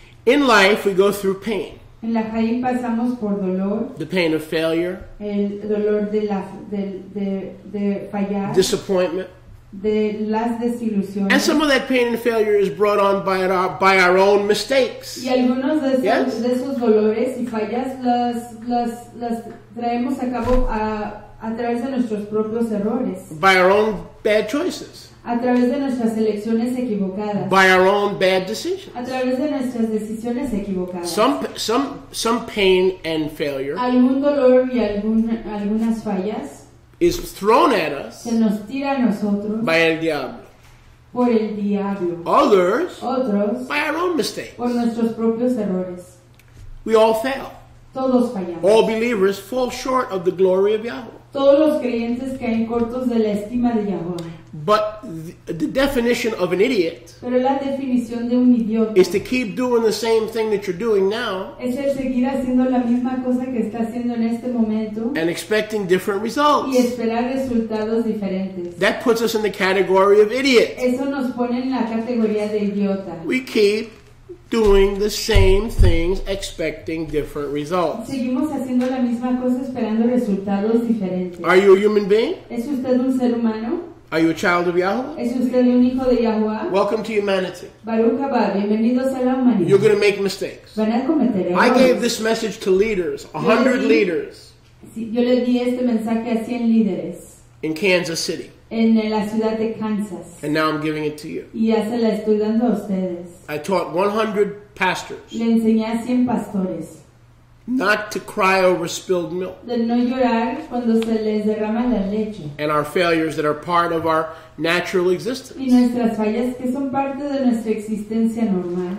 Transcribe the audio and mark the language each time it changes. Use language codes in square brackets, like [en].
[en] In life, we go through pain. [es] En la caída pasamos por dolor. [en] The pain of failure. [es] El dolor de fallar. [en] Disappointment. [es] De las desilusiones. [en] And some of that pain and failure is brought on by our own mistakes. [es] Y algunos de esos, yes? De esos dolores y fallas las traemos a cabo a través de nuestros propios errores. [en] By our own bad choices. [es] A través de nuestras elecciones equivocadas. [en] By our own bad decisions. [es] A través de nuestras decisiones equivocadas. [en] Some pain and failure. [es] Algún dolor y algunas fallas. [en] Is thrown at us. [es] Se nos tira a nosotros. [en] By el diablo. [es] Por el diablo. [en] Others. [es] Otros. [en] By our own mistakes. [es] Por nuestros propios errores. [en] We all fail. [es] Todos fallamos. [en] All believers fall short of the glory of Yahweh. [es] Todos los creyentes caen cortos de la estima de Yahweh. [en] But the definition of an idiot. [es] Pero la definición de un idiota. [en] Is to keep doing the same thing that you're doing now. [es] Es el seguir haciendo la misma cosa que está haciendo en este momento. [en] And expecting different results. [es] Y esperar resultados diferentes. [en] That puts us in the category of idiots. [es] Eso nos pone en la categoría de idiota. [en] We keep doing the same things, expecting different results. [es] Seguimos haciendo la misma cosa, esperando resultados diferentes. [en] Are you a human being? [es] ¿Es usted un ser humano? [en] Are you a child of Yahweh? [es] ¿Es usted un hijo de Yahweh? [en] Welcome to humanity. [he] Baruch haba, [es] bienvenidos a la humanidad. [en] You're going to make mistakes. [es] Van a cometer errores. [en] I gave this message to leaders, 100 leaders. [es] Yo le di este mensaje a 100 líderes. [en] In Kansas City. [es] En la ciudad de Kansas. [en] And now I'm giving it to you. [es] Y ya se la estoy dando a ustedes. [en] I taught 100 pastors. [es] Le enseñé a 100 pastores. [en] Not to cry over spilled milk. [es] De no llorar cuando se les derrama la leche. [en] And our failures that are part of our natural existence. [es] Y nuestras fallas que son parte de nuestra existencia normal.